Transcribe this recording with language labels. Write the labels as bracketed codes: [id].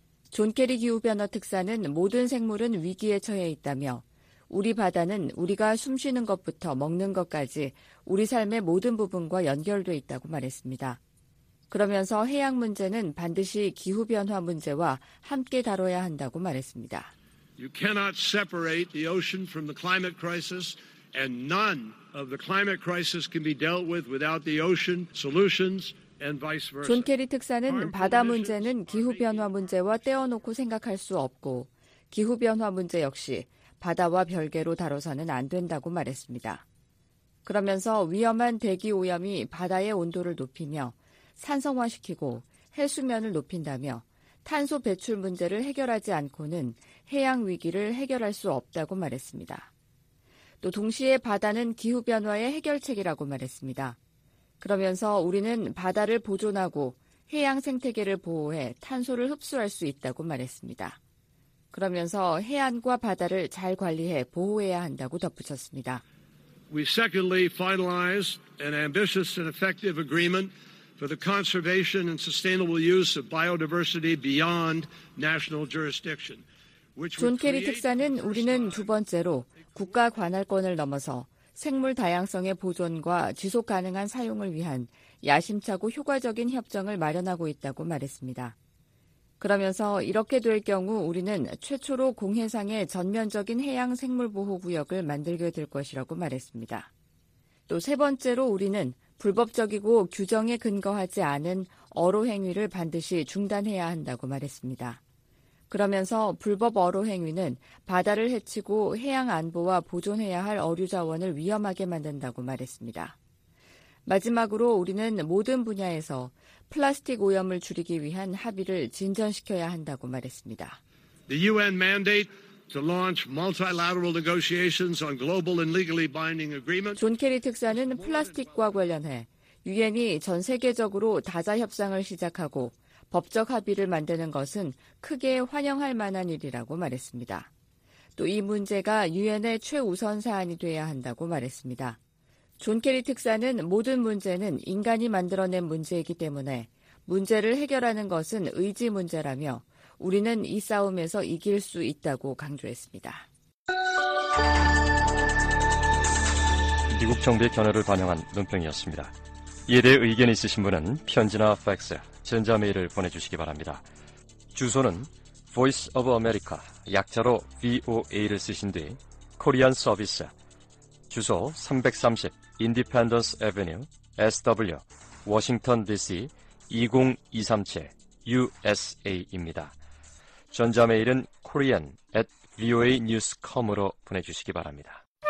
[ko] 존 케리 기후변화 특사는 모든 생물은 위기에 처해 있다며 우리 바다는 우리가 숨쉬는 것부터 먹는 것까지 우리 삶의 모든 부분과 연결돼 있다고 말했습니다. 그러면서 해양 문제는 반드시 기후변화 문제와 함께 다뤄야 한다고 말했습니다. [en] You cannot separate the ocean from the climate crisis and none of the climate crisis can be dealt with without the ocean solutions and vice versa. [ko] 존 케리 특사는 바다 문제는 기후변화 문제와 떼어놓고 생각할 수 없고 기후변화 문제 역시 바다와 별개로 다뤄서는 안 된다고 말했습니다. 그러면서 위험한 대기 오염이 바다의 온도를 높이며 산성화시키고 해수면을 높인다며 탄소 배출 문제를 해결하지 않고는 해양 위기를 해결할 수 없다고 말했습니다. 또 동시에 바다는 기후변화의 해결책이라고 말했습니다. 그러면서 우리는 바다를 보존하고 해양 생태계를 보호해 탄소를 흡수할 수 있다고 말했습니다. 그러면서 해안과 바다를 잘 관리해 보호해야 한다고 덧붙였습니다. [en] We secondly finalized an ambitious and effective agreement for the conservation and sustainable use of biodiversity beyond national jurisdiction. [ko] 존 케리 특사는 우리는 두 번째로 국가 관할권을 넘어서 생물 다양성의 보존과 지속 가능한 사용을 위한 야심차고 효과적인 협정을 마련하고 있다고 말했습니다. 그러면서 이렇게 될 경우 우리는 최초로 공해상의 전면적인 해양 생물 보호 구역을 만들게 될 것이라고 말했습니다. 또 세 번째로 우리는 불법적이고 규정에 근거하지 않은 어로 행위를 반드시 중단해야 한다고 말했습니다. 그러면서 불법 어로 행위는 바다를 해치고 해양 안보와 보존해야 할 어류 자원을 위험하게 만든다고 말했습니다. 마지막으로 우리는 모든 분야에서 플라스틱 오염을 줄이기 위한 합의를 진전시켜야 한다고 말했습니다. [en] The UN mandate to launch multilateral negotiations on global and legally binding agreements. [ko] 존 케리 특사는 플라스틱과 관련해 유엔이 전 세계적으로 다자 협상을 시작하고 법적 합의를 만드는 것은 크게 환영할 만한 일이라고 말했습니다. 또 이 문제가 유엔의 최우선 사안이 돼야 한다고 말했습니다. 존 케리 특사는 모든 문제는 인간이 만들어낸 문제이기 때문에 문제를 해결하는 것은 의지 문제라며 우리는 이 싸움에서 이길 수 있다고 강조했습니다. 미국 정부의 견해를 반영한 논평이었습니다. 이에 대해 의견 있으신 분은 편지나 팩스, 전자메일을 보내주시기 바랍니다. 주소는 Voice of America, 약자로 VOA를 쓰신 뒤 Korean Service, 주소 330 Independence Avenue, SW, Washington DC 20237, USA입니다. 전자메일은 korean@voanews.com으로 보내주시기 바랍니다.